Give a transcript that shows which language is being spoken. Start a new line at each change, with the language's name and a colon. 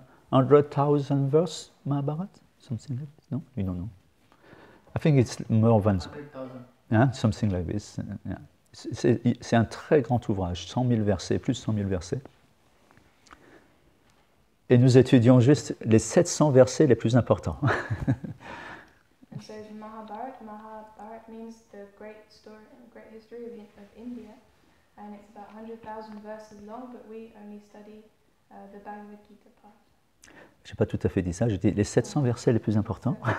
English: 100,000 verses, Mahabharata? Something like this? Non? You don't know. I think it's more than... 100,000. Yeah, something like this. Yeah.
French: C'est un très grand ouvrage, 100 000 versets, plus de 100 000 versets. Et nous étudions juste les 700 versets les plus importants.
English: Mahabharata means the great story, great history of India, and it's about 100,000 verses long, but we only study the Bhagavad Gita part.
French: J'ai pas tout à fait dit ça, j'ai dit les 700 versets les plus importants.